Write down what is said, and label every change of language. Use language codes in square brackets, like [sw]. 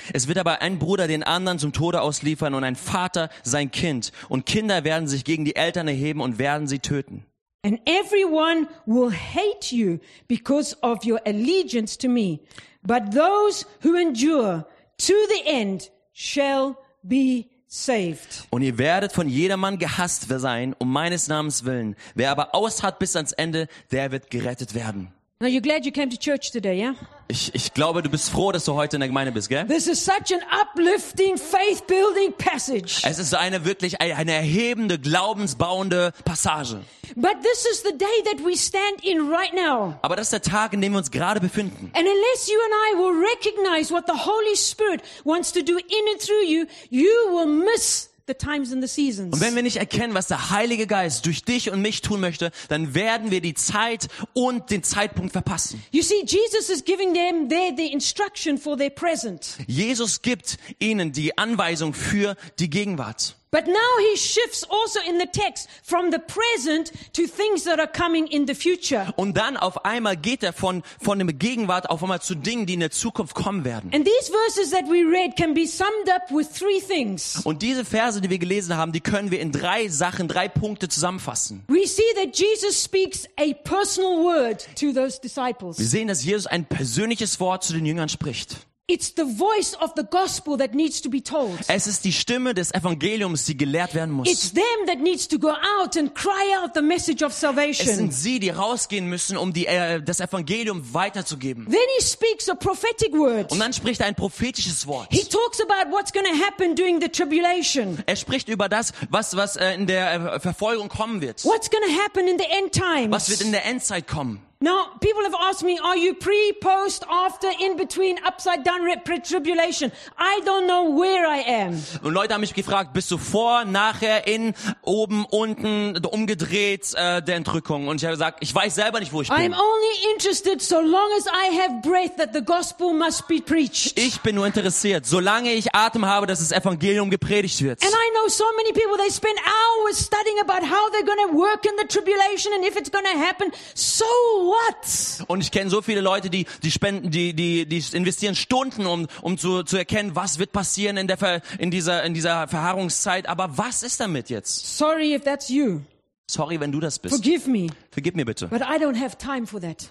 [de] Es wird aber ein Bruder den anderen zum Tode ausliefern und ein Vater sein Kind, und Kinder werden sich gegen die Eltern erheben und werden sie töten. [en] And everyone will hate you because of your allegiance to me, but those who endure to the end shall be saved. [de] Und ihr werdet von jedermann gehasst sein, um meines Namens willen. Wer aber ausharrt bis ans Ende, der wird gerettet werden. [en] Now you're glad you came to church today, yeah? [de] Ich glaube, du bist froh, dass du heute in der Gemeinde bist, gell? [en] This is such an uplifting, faith-building passage. [de] Es ist eine wirklich eine erhebende, glaubensbauende Passage. [en] But this is the day that we stand in right now. [de] Aber das ist der Tag, in dem wir uns gerade befinden. [en] And unless you and I will recognize what the Holy Spirit wants to do in and through you, you will miss the times and the seasons. [de] Und wenn wir nicht erkennen, was der Heilige Geist durch dich und mich tun möchte, dann werden wir die Zeit und den Zeitpunkt verpassen. [en] You see, Jesus is giving them there the instruction for their present. [de] Jesus gibt ihnen die Anweisung für die Gegenwart. [en] But now he shifts also in the text from the present to things that are coming in the future. [de] Und dann auf einmal geht er von der Gegenwart auf einmal zu Dingen, die in der Zukunft kommen werden. [en] And these verses that we read can be summed up with three things. [de] Und diese Verse, die wir gelesen haben, die können wir in drei Sachen, drei Punkte zusammenfassen. [en] We see that Jesus speaks a personal word to those disciples. [de] Wir sehen, dass Jesus ein persönliches Wort zu den Jüngern spricht. [en] It's the voice of the gospel that needs to be told. [de] Es ist die Stimme des Evangeliums, die gelehrt werden muss. [en] It's them that needs to go out and cry out the message of salvation. [de] Es sind sie, die rausgehen müssen, um das Evangelium weiterzugeben. [en] Then he speaks a prophetic word. [de] Und dann spricht er ein prophetisches Wort. [en] He talks about what's going to happen during the tribulation. [de] Er spricht über das, was in der Verfolgung kommen wird. [en] What's going to happen in the end times? [de] Was wird in der Endzeit kommen? [en] Now people have asked me, are you pre, post, after, in between, upside down, pre-tribulation? I don't know where I am. [de] Und Leute haben mich gefragt, bist du vor, nachher, in, oben, unten, umgedreht, der Entrückung? Und ich habe gesagt, ich weiß selber nicht, wo ich bin. [en] I'm only interested so long as I have breath that the gospel must be preached. [de] Ich bin nur interessiert, solange ich Atem habe, dass das Evangelium gepredigt wird. [en] And I know so many people, they spend hours studying about how they're going to work in the tribulation and if it's going to happen. So what? [de] Und ich kenne so viele Leute, die investieren Stunden, um zu erkennen, was wird passieren in dieser Verharrungszeit. Aber was ist damit jetzt? [en] Sorry, if that's you. [de] Sorry, wenn du das bist. [en] Forgive me. [de] Vergib mir bitte. [en] But I don't have time for that.